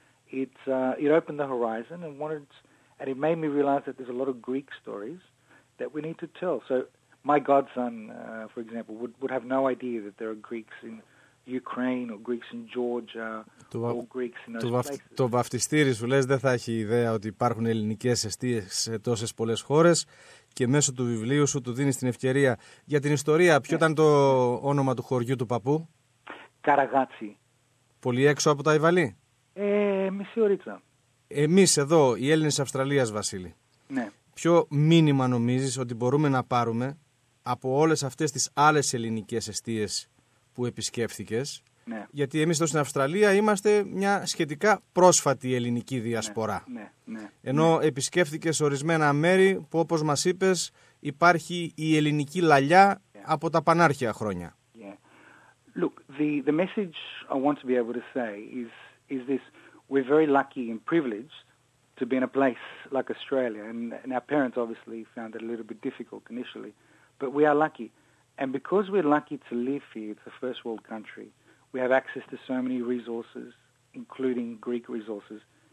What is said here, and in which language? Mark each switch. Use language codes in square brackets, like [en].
[en] It opened the horizon and it made me realize that there's a lot of Greek stories that we need to tell. So my godson, for example, would have no idea that there are Greeks in Ukraine or Greeks in Georgia or Greeks in those places. [el] Το βαφτιστήρι σου λες δεν θα έχει ιδέα ότι υπάρχουν ελληνικές εστίες σε τόσες πολλές χώρες και μέσω του βιβλίου σου του δίνεις την ευκαιρία. Για την ιστορία, ποιο ήταν το όνομα του χωριού του παππού? Καραγάτσι. Πολύ έξω από τα Αϊβαλή. Μισή ωρίτσα. Εμείς εδώ, οι Έλληνες Αυστραλίας, Βασίλη. Ναι. Ποιο μήνυμα νομίζεις ότι μπορούμε να πάρουμε από όλες αυτές τις άλλες ελληνικές εστίες που επισκέφθηκες? Ναι. Γιατί εμείς εδώ στην Αυστραλία είμαστε μια σχετικά πρόσφατη ελληνική διασπορά. Ναι. Ναι. Ναι. Ενώ επισκέφθηκες ορισμένα μέρη που, όπως μας είπες, υπάρχει η ελληνική λαλιά από τα πανάρχια χρόνια. [en] Yeah. Look, the message I want to be able to say is this. We're very lucky and privileged to be in a place like Australia, and our parents obviously found it a little bit difficult initially, but we are lucky. And because we're lucky to live here, it's a first world country, we have access to so many resources, including Greek resources.